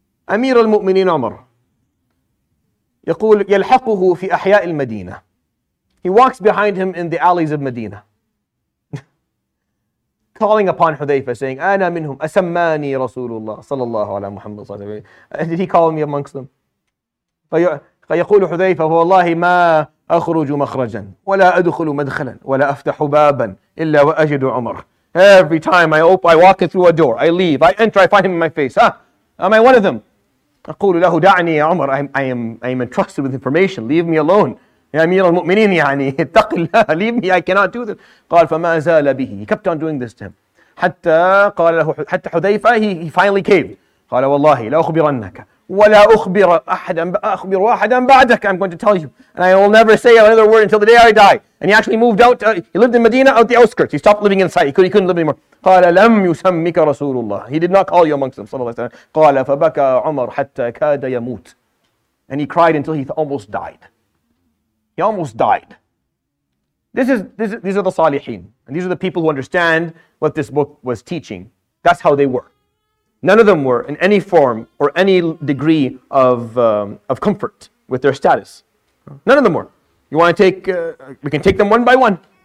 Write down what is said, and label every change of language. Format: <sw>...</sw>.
<ar>أمير المؤمنين عمر يقول يلحقه في أحياء المدينة.</ar> <en>He walks behind him in the alleys of Medina, calling upon Hudhayfa, saying,</en> <ar>أنا منهم أسماني رسول الله صلى الله على محمد صلى الله عليه وسلم.</ar> <en>Did he call me amongst them?</en> <ar>فيقول حذيفة والله ما أخرج مخرجا ولا أدخل مدخلا ولا أفتح بابا إلا وأجد عمر.</ar> <en>Every time I walk through a door, I leave, I enter, I find him in my face. Am I one of them?</en> <ar>أقول له دعني يا عمر.</ar> <en>I am entrusted with information. Leave me alone.</en> <ar>يا أمير المؤمنين يعني اتق الله.</ar> <en>Leave me, I cannot do this.</en> <ar>قال فما زال به.</ar> <en>He kept on doing this to him.</en> <ar>حتى قال له حتى حذيفة,</ar> <en>he finally came.</en> <ar>قال والله لا أخبرنك ولا أخبر أحدا أخبر واحدا بعدك.</ar> <en>I'm going to tell you and I will never say another word until the day I die. And he actually moved out. He lived in Medina, out the outskirts. He stopped living inside. He couldn't live anymore.</en> <ar>قال لم يسمك رسول الله.</ar> <en>He did not call you amongst them, صلى الله عليه وسلم.</en> <ar>قال فبكى عمر حتى كاد يموت.</ar> <en>And he cried until he almost died. He almost died. These are the salihin, and these are the people who understand what this book was teaching. That's how they were. None of them were in any form or any degree of comfort with their status. None of them were. You want to take? We can take them one by one.</en>